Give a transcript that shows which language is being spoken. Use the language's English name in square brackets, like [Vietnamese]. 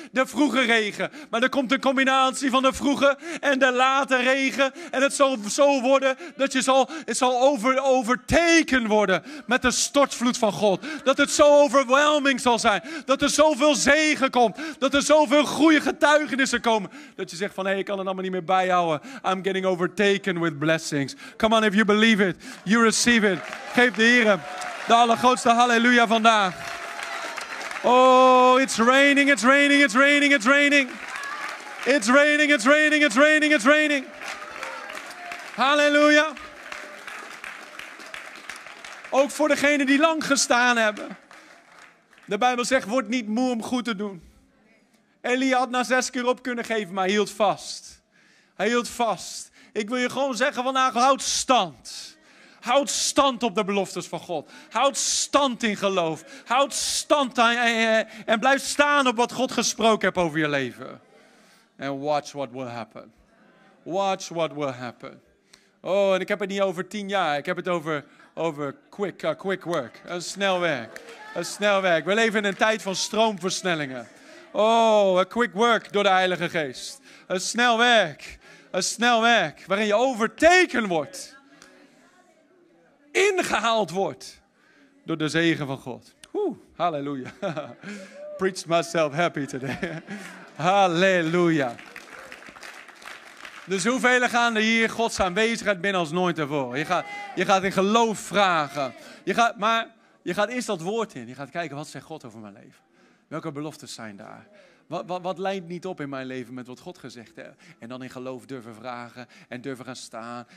[Dutch] De vroege regen. Maar er komt een combinatie van de vroege en de late regen. En het zal zo worden dat je zal, het zal overtaken worden met de stortvloed van God. Dat het zo overwhelming zal zijn. Dat er zoveel zegen komt. Dat er zoveel goede getuigenissen komen. Dat je zegt van, hey, ik kan het allemaal niet meer bijhouden. [English] I'm getting overtaken with blessings. Come on, if you believe it, you receive it. [Dutch] Geef de Heer de allergrootste halleluja vandaag. [English] Oh, it's raining, it's raining, it's raining, it's raining. It's raining, it's raining, it's raining, it's raining. [Dutch] Halleluja. Ook voor degenen die lang gestaan hebben. De Bijbel zegt, word niet moe om goed te doen. Elia had na 6 keer op kunnen geven, maar hij hield vast. Hij hield vast. Ik wil je gewoon zeggen vandaag, houd stand. Houd stand op de beloftes van God. Houd stand in geloof. Houd stand en blijf staan op wat God gesproken heeft over je leven. [English] And watch what will happen. Watch what will happen. [Dutch] Oh, en ik heb het niet over 10 jaar. Ik heb het over quick work. Een snel werk. Een snel werk. We leven in een tijd van stroomversnellingen. Oh, een quick work door de Heilige Geest. Een snel werk. Een snel werk waarin je overtaken wordt. Ingehaald wordt. Door de zegen van God. Halleluja. [English] preached myself happy today. [Dutch] Halleluja. Dus hoeveel gaan er hier Gods aanwezigheid binnen als nooit tevoren? Je gaat in geloof vragen. Je gaat eerst dat woord in. Je gaat kijken, wat zegt God over mijn leven? Welke beloftes zijn daar? Wat lijnt niet op in mijn leven met wat God gezegd heeft? En dan in geloof durven vragen en durven gaan staan.